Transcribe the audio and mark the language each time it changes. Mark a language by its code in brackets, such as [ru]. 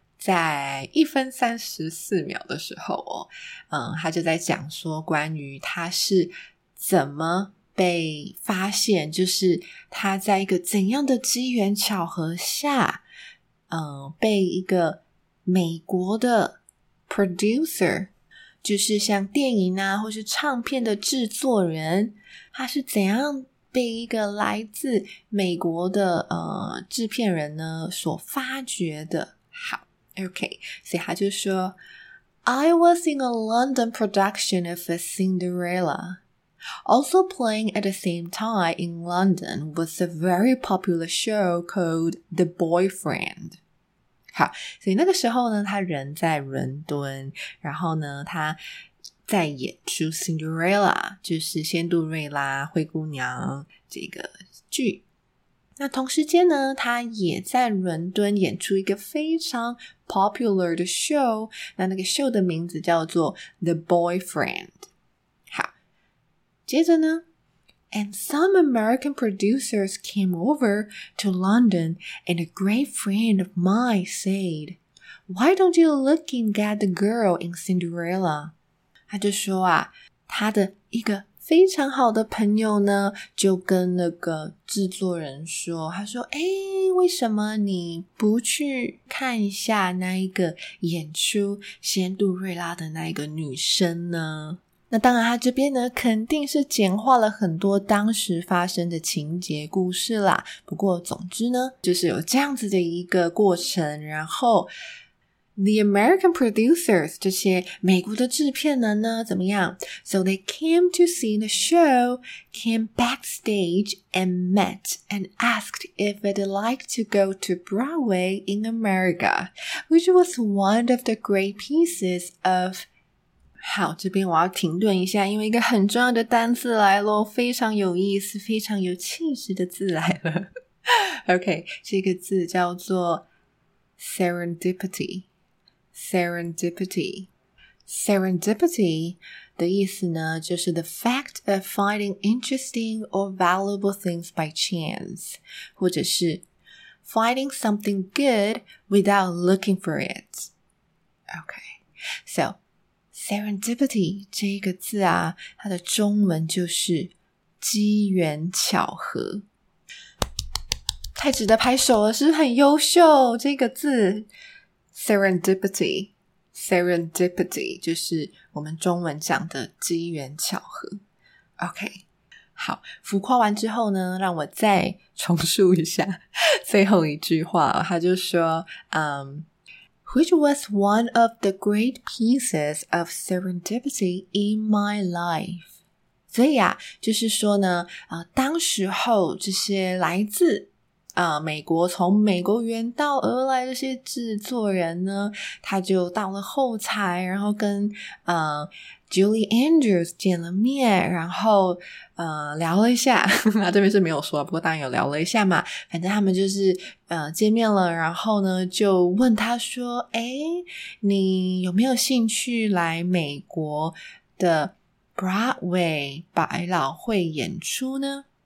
[zh] 在1分34秒的时候哦，他就在讲说关于他是怎么被发现，就是他在一个怎样的机缘巧合下，被一个美国的 producer，就是像电影啊或是唱片的制作人，他是怎样被一个来自美国的制片人呢所发掘的。 [en] 好 OK， [zh] 所以他就说 [en] I was in a London production of a Cinderella. Also playing at the same time in London was a very popular show called The Boyfriend. [zh] 好，所以那个时候呢，他人在伦敦，然后呢，他在演出 Cinderella， 就是仙杜瑞拉、灰姑娘这个剧。那同时间呢，他也在伦敦演出一个非常 popular 的 show， 那那个 show 的名字叫做 The Boyfriend。好，接着呢。 [en] And some American producers came over to London and a great friend of mine said, Why don't you look and get the girl in Cinderella? [zh] 他就说啊，他的一个非常好的朋友呢，就跟那个制作人说，他说，诶，为什么你不去看一下那一个演出仙杜瑞拉的那一个女生呢？那当然他这边呢肯定是简化了很多当时发生的情节故事啦，不过总之呢就是有这样子的一个过程，然后 [en] The American producers [zh] 这些美国的制片人呢怎么样， [en] So they came to see the show, came backstage and met and asked if they'd like to go to Broadway in America, which was one of the great pieces of... [zh] 好，这边我要停顿一下，因为一个很重要的单字来咯，非常有意思，非常有气势的字来了。 [en] OK， [zh] 这个字叫做 [en] Serendipity [zh] 的意思呢，就是 [en] the fact of finding interesting or valuable things by chance， [zh] 或者是 [en] finding something good without looking for it。 [zh] OK， SoSerendipity 这个字啊，它的中文就是机缘巧合，太值得拍手了，是不是很优秀？这个字 Serendipity 就是我们中文讲的机缘巧合。 OK， 好，浮夸完之后呢，让我再重述一下最后一句话，他就说 [en] Which was one of the great pieces of serendipity in my life. [zh] 所以啊，就是说呢，当时候这些来自美国，从美国远道而来的这些制作人呢，他就到了后台，然后跟 Julie Andrews 见了面，然后聊了一下，那这边是没有说，不过当然有聊了一下嘛，反正他们就是见面了，然后呢就问他说，诶，你有没有兴趣来美国的 Broadway 百老汇演出呢？